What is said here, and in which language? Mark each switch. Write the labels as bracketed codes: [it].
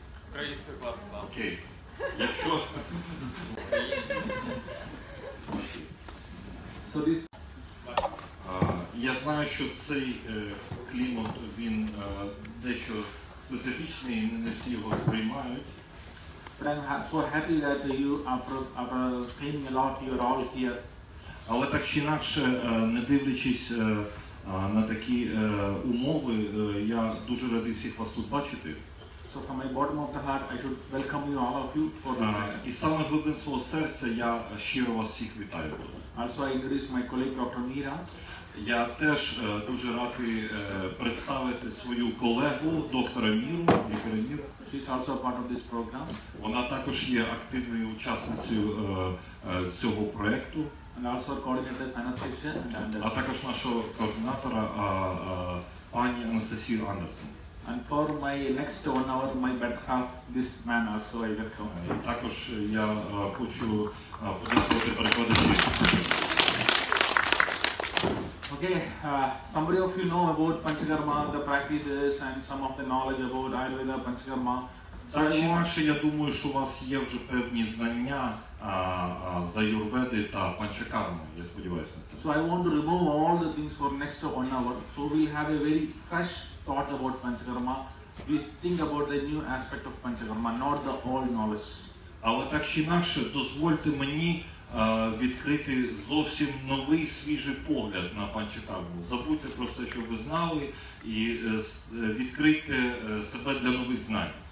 [uk] Українською, класно. Окей. Якщо... [en] So this... [uk] я знаю, що цей клімат, він дещо специфічний, не всі його сприймають. [en] But I'm so happy that you are cleaning a lot, you're all here. [uk] Але так чи інакше, не дивлячись на такі умови, я дуже радий всіх вас тут бачити. [en] So from my bottom of the heart, I should welcome you, all of you, for this session. [uk] Із самого глибин свого серця я щиро вас всіх вітаю тут. [en] Also I introduce my colleague, Dr. Meera. [uk] Я теж дуже радий представити свою колегу, доктора Міру, Мікера Міру. [en] She's also part of this program. [uk] Вона також є активною учасницею цього проєкту. [en] And also coordinator Anastasia Anderson. [uk] А також нашого координатора, пані Анастасію Андерсон. [en] And for my next 1 hour, my better half, this man also, I welcome. [uk] І також я хочу подякувати перекладачі. [en] Okay, somebody of you know about Panchakarma, the practices and some of the knowledge about Ayurveda, Panchakarma. [uk] Старші наші, я думаю, що у вас є вже певні знання з аюрведи та панчакарми, я сподіваюся на це. [en] So I want to remove all the things for next one hour. So we'll have a very fresh thought about panchakarma. We think about the new aspect of panchakarma, not the old knowledge. [uk] Але так чи інакше, дозвольте мені відкрити зовсім новий, свіжий погляд на панчакарму. Забудьте про все, що ви знали, і відкрити себе для нових знань.